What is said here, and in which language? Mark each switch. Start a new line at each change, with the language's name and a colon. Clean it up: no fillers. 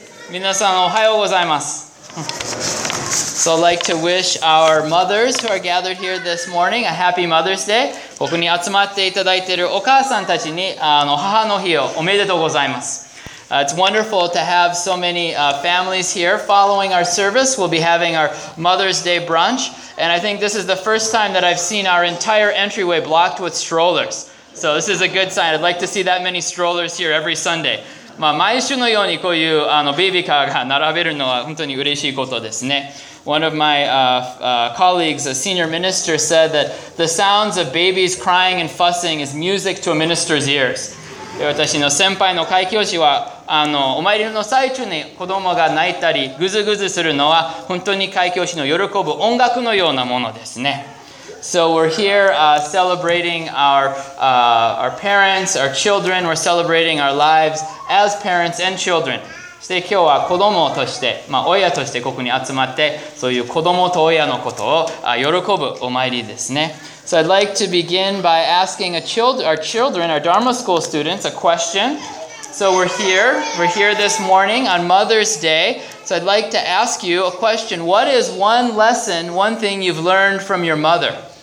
Japanese: 皆さんおはようございます。
English: So I'd like to wish our mothers who are gathered here this morning a happy Mother's Day.
Japanese: ここに集まっていただいているお母さんたちに母の日をおめでとうございます。
English: It's wonderful to have so many families here. Following our service, we'll be having our Mother's Day brunch. And I think this is the first time that I've seen our entire entryway blocked with strollers. So this is a good sign. I'd like to see that many strollers here every Sunday.
Japanese: まあ、毎週のようにこういうベビーカーが並べるのは本当に嬉しいことですね。
English: One of my colleagues, a senior minister, said that the sounds of babies crying and fussing is music to a minister's ears.
Japanese: 私の先輩の会教師はお参りの最中に子供が泣いたりぐずぐずするのは本当に会教師の喜ぶ音楽のようなものですね。
English: So we're here celebrating our parents, our children. We're celebrating our lives as parents and children.
Japanese: そして今日は子供として、まあ、親としてここに集まってそういう子供と親のことを喜ぶお参りですね。
English: So I'd like to begin by asking our children, our Dharma school students, a question. So we're here this morning on Mother's Day. So I'd like to ask you a question. What is one lesson, one thing you've learned from your mother?